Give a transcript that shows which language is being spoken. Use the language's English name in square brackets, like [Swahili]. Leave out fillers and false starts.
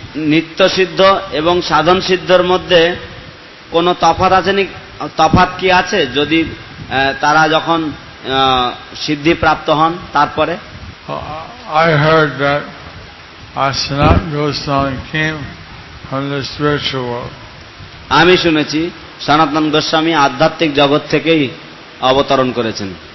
[Bangla] নিত্য সিদ্ধ এবং সাধন সিদ্ধর মধ্যে কোন তফাৎ আছে? তফাৎ কি আছে যদি তারা যখন সিদ্ধি প্রাপ্ত হন তারপরে? [English] I heard that Sanatan Goswami came from the spiritual world. [Bangla] আমি শুনেছি সনাতন গোস্বামী আধ্যাত্মিক জগৎ থেকেই অবতরণ করেছেন।